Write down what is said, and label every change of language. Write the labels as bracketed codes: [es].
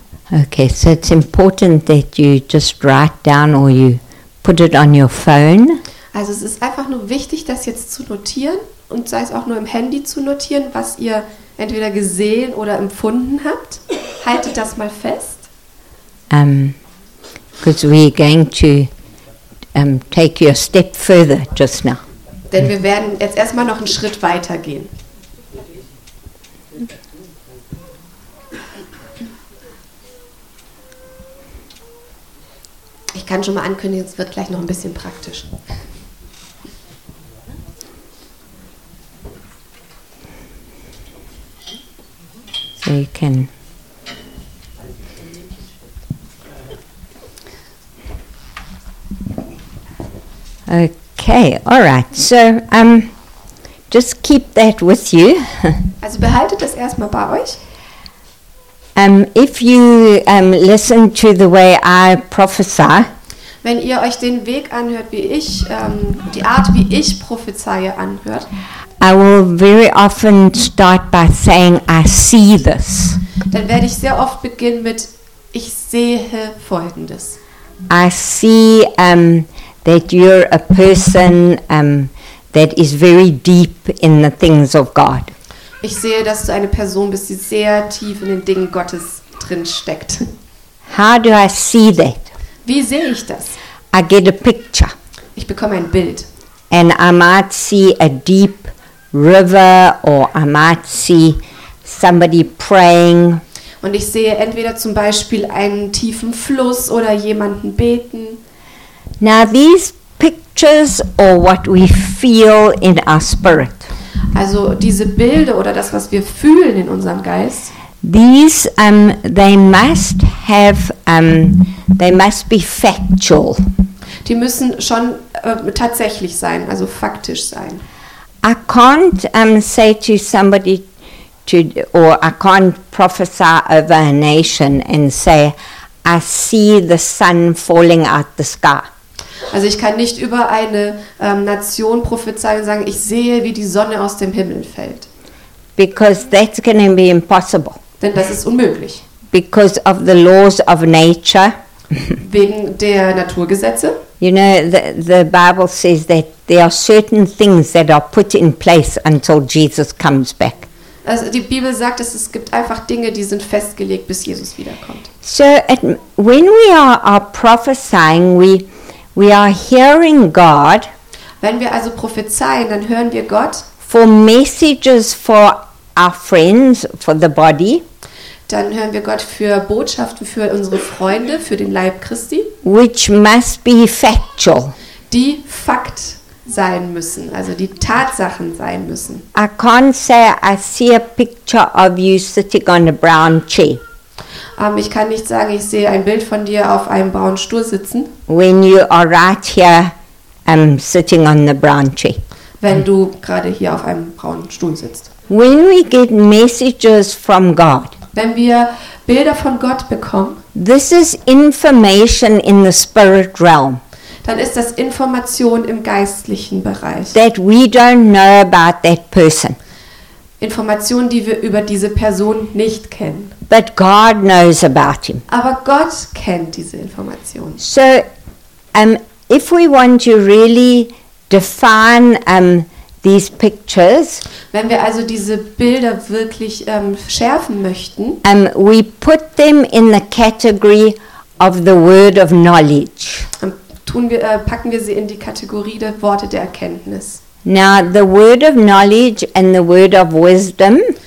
[en] Okay, so it's important that you just write down or you put it on your phone. [de] Also es ist einfach nur wichtig, das jetzt zu notieren und sei es auch nur im Handy zu notieren, was ihr entweder gesehen oder empfunden habt. Haltet das mal fest. [en] Because we're going to take you a step further just now. [de] Denn wir werden jetzt erstmal noch einen Schritt weiter gehen. Ich kann schon mal ankündigen, es wird gleich noch ein bisschen praktisch. [en] So you can. Okay, all right. So, just keep that with you. [de] Also behaltet das erstmal bei euch. [en] If you listen to the way I prophesy. [de] Wenn ihr euch den Weg anhört, wie ich, die Art, wie ich prophezeie, anhört, [en] I will very often start by saying, I see this. [de] Dann werde ich sehr oft beginnen mit, ich sehe Folgendes. [en] I see that you're a person that is very deep in the things of God. [de] Ich sehe, dass du eine Person bist, die sehr tief in den Dingen Gottes drin steckt. [en] How do I see that? [de] Wie sehe ich das? [en] I get a picture. [de] Ich bekomme ein Bild. [en] And I might see a deep river or I might see somebody praying. [de] Und ich sehe entweder zum Beispiel einen tiefen Fluss oder jemanden beten. [en] Now these pictures or what we feel in our spirit. [de] Also diese Bilder oder das, was wir fühlen in unserem Geist. [en] These they must have they must be factual. [de] Die müssen schon tatsächlich sein, also faktisch sein. [en] I can't say to somebody I can't prophesy over a nation and say I see the sun falling out the sky. [de] Also ich kann nicht über eine Nation prophezeien und sagen, ich sehe, wie die Sonne aus dem Himmel fällt. [en] Because that's going to be impossible. [de] Denn das ist unmöglich. [en] Because of the laws of nature. [de] Wegen der Naturgesetze. [en] You know, the Bible says that there are certain things that are put in place until Jesus comes back. [de] Also die Bibel sagt, dass es gibt einfach Dinge, die sind festgelegt, bis Jesus wiederkommt. [en] So at, when we are prophesying, we are hearing God. [de] Wenn wir also prophezeien, dann hören wir Gott. [en] For messages for our friends, for the body. [de] Dann hören wir Gott für Botschaften für unsere Freunde, für den Leib Christi. [en] Which must be factual. [de] Die Fakt sein müssen, also die Tatsachen sein müssen. [en] I can't say I see a picture of you sitting on a brown chair. [de] Ich kann nicht sagen, ich sehe ein Bild von dir auf einem braunen Stuhl sitzen. [en] When you are right here, sitting on the brown chair. [de] Wenn du gerade hier auf einem braunen Stuhl sitzt. [en] When we get messages from God. [de] Wenn wir Bilder von Gott bekommen, [en] this is information in the spirit realm. [de] Dann ist das Information im geistlichen Bereich. [en] That we don't know about that person. [de] Information, die wir über diese Person nicht kennen. [en] But God knows about him. [de] Aber Gott kennt diese Information. [en] So, if we want to really define these pictures, [de] wenn wir also diese Bilder wirklich schärfen möchten, [en] we put them in the category of the word of knowledge. [de] Packen wir sie in die Kategorie der Worte der Erkenntnis. [en] Now the word of knowledge and the word of wisdom.